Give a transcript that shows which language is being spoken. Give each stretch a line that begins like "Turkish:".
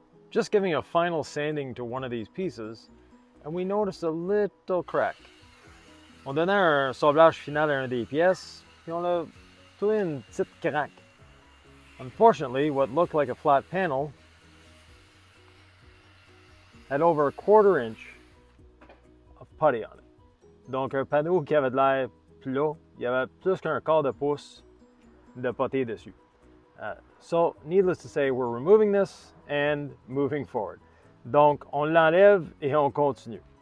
English: Just giving a final sanding to one of these pieces, and we noticed a little crack.
French: On donnait un sablage final à une des pièces, puis on a trouvé une petite craque.
English: Unfortunately, what looked like a flat panel had over a quarter inch of putty on it.
French: Donc un panneau qui avait de l'air plus haut, il y avait plus qu'un quart de pouce de putty dessus.
English: So, needless to say, we're removing this and moving forward.
French: Donc, on l'enlève et on continue.